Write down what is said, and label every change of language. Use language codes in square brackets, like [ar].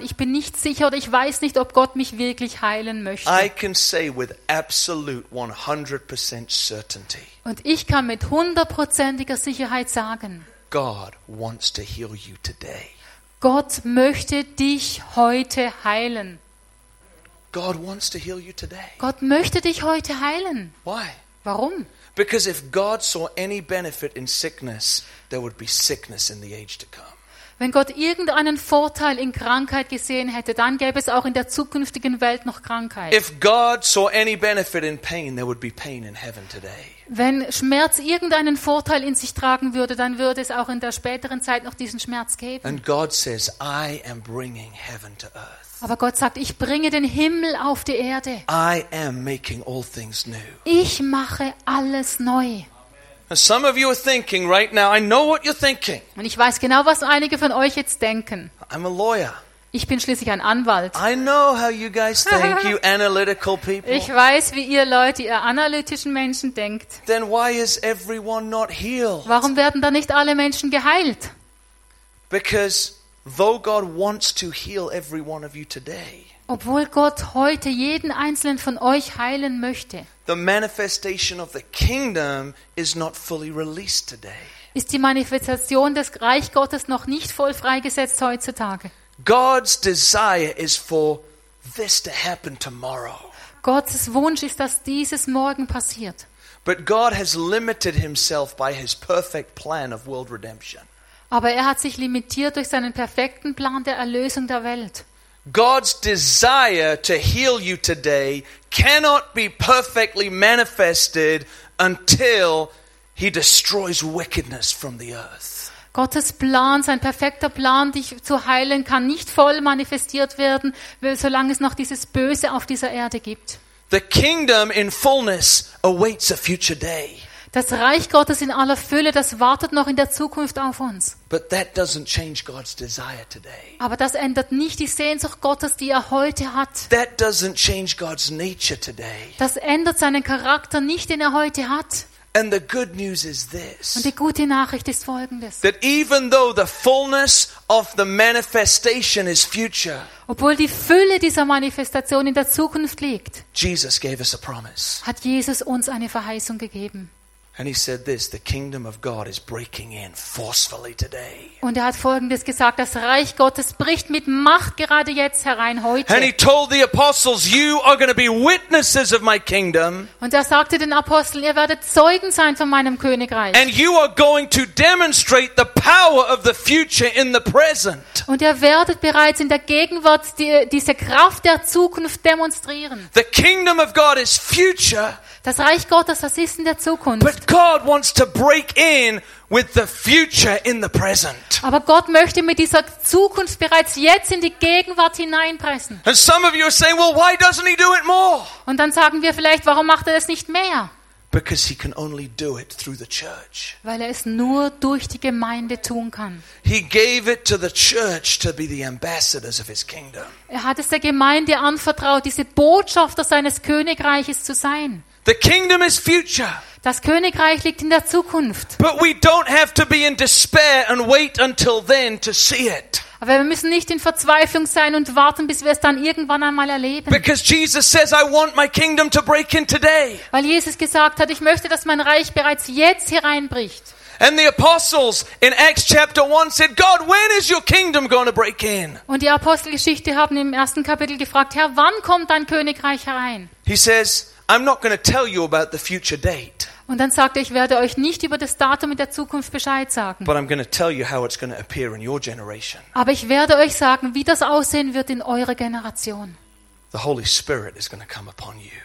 [de] Ich bin nicht sicher oder ich weiß nicht, ob Gott mich wirklich heilen möchte. [en] I can say with absolute 100% certainty, [de] und ich kann mit hundertprozentiger Sicherheit sagen, [en] God wants to heal you today. [de] Gott möchte dich heute heilen. [en] God wants to heal you today. [de] Gott möchte dich heute heilen. [en] Why? [de] Warum? [en] Because if God saw any benefit in sickness, there would be sickness in the age to come. [de] Wenn Gott irgendeinen Vorteil in Krankheit gesehen hätte, dann gäbe es auch in der zukünftigen Welt noch Krankheit. [en] If God saw any benefit in pain, there would be pain in heaven today. [de] Wenn Schmerz irgendeinen Vorteil in sich tragen würde, dann würde es auch in der späteren Zeit noch diesen Schmerz geben. [en] And God says, I am bringing heaven to earth. [de] Aber Gott sagt, ich bringe den Himmel auf die Erde. [en] I am making all things new. [de] Ich mache alles neu. [en] And some of you are thinking right now, I know what you're thinking. [de] Und ich weiß genau, was einige von euch jetzt denken. [en] I'm a lawyer. [de] Ich bin schließlich ein Anwalt. [en] I know how you guys think, you analytical people. [de] Ich weiß, wie ihr Leute, ihr analytischen Menschen denkt. [en] Then why is everyone not healed? [de] Warum werden da nicht alle Menschen geheilt? [en] Because though God wants to heal every one of you today. [de] Obwohl Gott heute jeden einzelnen von euch heilen möchte. [en] The manifestation of the kingdom is not fully released today. [de] Ist die Manifestation des Reich Gottes noch nicht voll freigesetzt heutzutage? [en] God's desire is for this to happen tomorrow. [de] Gottes Wunsch ist, dass dieses morgen passiert. [en] But God has limited himself by his perfect plan of world redemption. [de] Aber er hat sich limitiert durch seinen perfekten Plan der Erlösung der Welt. [en] God's desire to heal you today cannot be perfectly manifested until he destroys wickedness from the earth. [de] Gottes Plan, sein perfekter Plan, dich zu heilen, kann nicht voll manifestiert werden, solange es noch dieses Böse auf dieser Erde gibt. [en] The kingdom in fullness awaits a future day. [de] Das Reich Gottes in aller Fülle, das wartet noch in der Zukunft auf uns. [en] But that doesn't change God's desire today. [de] Aber das ändert nicht die Sehnsucht Gottes, die er heute hat. [en] That doesn't change God's nature today. [de] Das ändert seinen Charakter nicht, den er heute hat. [en] And the good news is this. [de] Und die gute Nachricht ist folgendes. [en] That even though the fullness of the manifestation is future. [de] Obwohl die Fülle dieser Manifestation in der Zukunft liegt. [en] Jesus gave us a promise. [de] Hat Jesus uns eine Verheißung gegeben. [en] And he said this, the kingdom of God is breaking in forcefully today. [de] Und hat folgendes gesagt, das Reich Gottes bricht mit Macht gerade jetzt herein heute. [en] And he told the apostles, you are going to be witnesses of my kingdom. [de] Und sagte den Aposteln, ihr werdet Zeugen sein von meinem Königreich. [en] And you are going to demonstrate the power of the future in the present. [de] Und werdet bereits in der Gegenwart diese Kraft der Zukunft demonstrieren. [en] The kingdom of God is future. [de] Das Reich Gottes, das ist in der Zukunft. [en] But God wants to break in with the future in the present. [de] Aber Gott möchte mit dieser Zukunft bereits jetzt in die Gegenwart hineinpressen. [en] And some of you are saying, well, why doesn't he do it more? [de] Und dann sagen wir vielleicht, warum macht er es nicht mehr? [en] Because he can only do it through the church. [de] Weil es nur durch die Gemeinde tun kann. [en] He gave it to the church to be the ambassadors of his kingdom. [de] Hat es der Gemeinde anvertraut, diese Botschafter seines Königreiches zu sein. [en] The kingdom is future. [de] Das Königreich liegt in der Zukunft. [en] But we don't have to be in despair and wait until then to see it. [de] Aber wir müssen nicht in Verzweiflung sein und warten, bis wir es dann irgendwann einmal erleben. [en] Because Jesus says, I want my kingdom to break in today. [de] Weil Jesus gesagt hat, ich möchte, dass mein Reich bereits jetzt hereinbricht. [en] And the apostles in Acts chapter 1 said, God, when is your kingdom going to break in? [de] Und die Apostelgeschichte haben im ersten Kapitel gefragt, Herr, wann kommt dein Königreich herein? [en] He says, I'm not going to tell you about the future date. [de] Und dann sagte ich werde euch nicht über das Datum in der Zukunft Bescheid sagen. [en] But I'm going to tell you how it's going to appear in your generation. [de] Aber ich werde euch sagen, wie das aussehen wird in eurer Generation. [en] The Holy Spirit is going to come upon you.